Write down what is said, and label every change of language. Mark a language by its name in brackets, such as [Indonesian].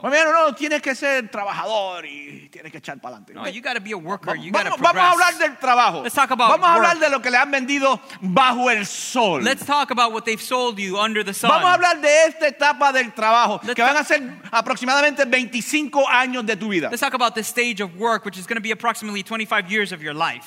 [Spanish] No, tienes que ser trabajador y tienes que echar pa'lante. [English] No, you got to be a worker. You got to progress. [Spanish] Vamos a hablar del trabajo. [English] Let's talk about [Spanish] vamos [English] work. [Spanish] A hablar de lo que le han vendido bajo el sol. [English] Let's talk about what they've sold you under the sun. [Spanish] Vamos a hablar de esta etapa del trabajo que van a ser aproximadamente 25 años de tu vida. [English] Let's talk about this stage of work, which is going to be approximately 25 years of your life.